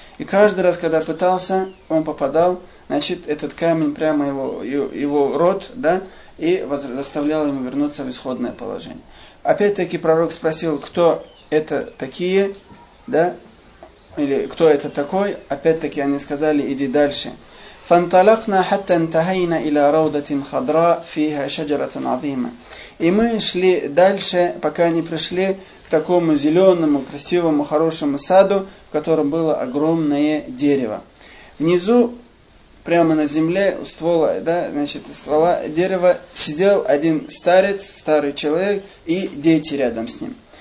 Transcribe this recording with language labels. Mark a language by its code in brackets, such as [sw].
[ru] И каждый раз, когда пытался, он попадал, значит, этот камень прямо его рот, да, и заставлял ему вернуться в исходное положение. Опять-таки пророк спросил, кто это такие, да, или кто это такой. Опять-таки они сказали, иди дальше. [ar] فانطلقنا حتى انتهينا الى روضه خضراء فيها شجره عظيمه. [ru] И мы шли дальше, пока не пришли к такому зелёному, красивому, хорошему саду, в котором было огромное дерево. Внизу, прямо на земле у ствола, да, значит, ствола дерева сидел один старец, старый человек и дети рядом с ним.